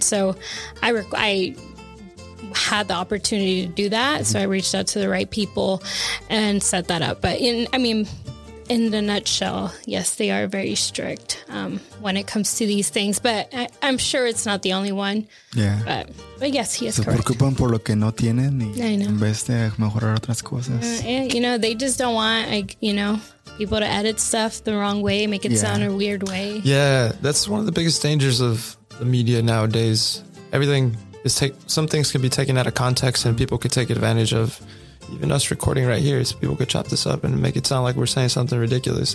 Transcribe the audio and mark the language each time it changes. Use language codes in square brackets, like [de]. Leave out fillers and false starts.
[en] So I had the opportunity to do that. So I reached out to the right people and set that up. But in the nutshell, yes, they are very strict when it comes to these things. But I'm sure it's not the only one. Yeah. But yes, he is correct. [es] Se preocupan por lo que no tienen y en vez de mejorar otras cosas. [en] You know, they just don't want, people to edit stuff the wrong way, make it sound a weird way. Yeah, that's one of the biggest dangers of the media nowadays. Everything is some things can be taken out of context and people could take advantage of. Even us recording right here, so people could chop this up and make it sound like we're saying something ridiculous.